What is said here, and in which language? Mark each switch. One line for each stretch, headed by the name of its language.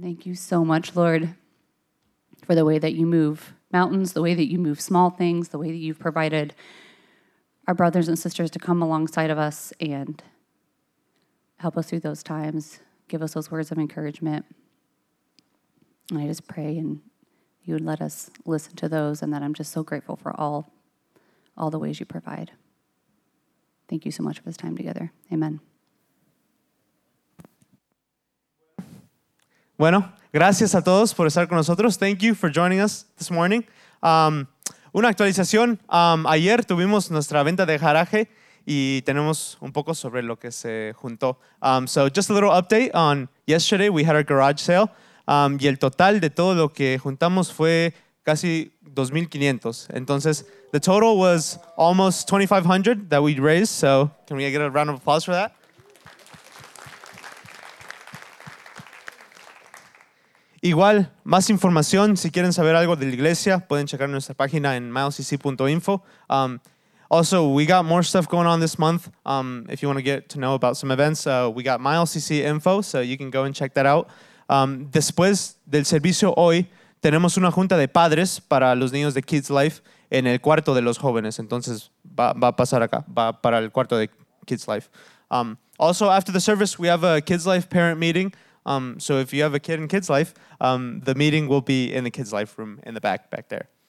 English: Thank you so much, Lord, for the way that you move mountains, the way that you move small things, the way that you've provided our brothers and sisters to come alongside of us and help us through those times, give us those words of encouragement. And I just pray and you would let us listen to those, and that I'm just so grateful for all the ways you provide. Thank you so much for this time together. Amen.
Spanish: Bueno, gracias a todos por estar con nosotros.
English: Thank you for joining us this morning.
Spanish: Una actualización. Ayer tuvimos nuestra venta de garaje y tenemos un poco sobre lo que se juntó.
English: So just a little update on yesterday, we had our garage sale.
Spanish: Y el total de todo lo que juntamos fue casi 2,500. Entonces,
English: the total was almost 2,500 that we raised. So can we get a round of applause for that?
Spanish: Igual, más información, si quieren saber algo de la iglesia, pueden checar nuestra página en milescc.info.
English: Also, we got more stuff going on this month. If you want to get to know about some events, we got milescc.info, so you can go and check that out.
Spanish: Después del servicio hoy, tenemos una junta de padres para los niños de Kids Life en el cuarto de los jóvenes. Entonces, va a pasar acá, va para el cuarto de Kids Life.
English: Also, after the service, we have a Kids Life parent meeting. So if you have a kid in Kids Life, the meeting will be in the Kids Life room in the back there.